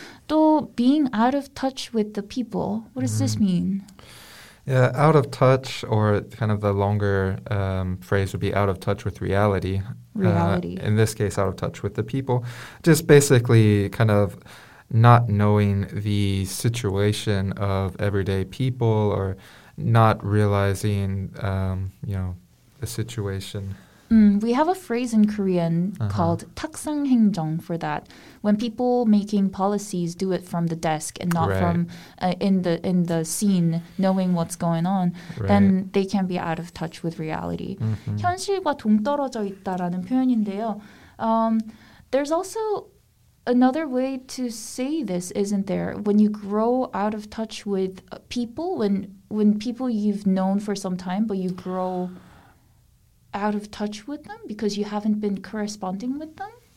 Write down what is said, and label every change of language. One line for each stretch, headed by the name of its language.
English: 또 being out of touch with the people. What does this mean? Yeah, out of touch, or kind of the longer phrase would be out of touch with reality. In this case, out of touch with the people. Just basically kind of not knowing the situation of everyday people, or not realizing, you know, the situation. We have a phrase in Korean called 탁상행정 for that. When people making policies do it from the desk and not from in the scene, knowing what's going on, then they can be out of touch with reality. Mm-hmm.
Korean: 현실과 동떨어져 있다라는 표현인데요.
English: There's also another way to say this, isn't there? When you grow out of touch with people, when people you've known for some time, but you grow out of touch with them because you haven't been corresponding with them?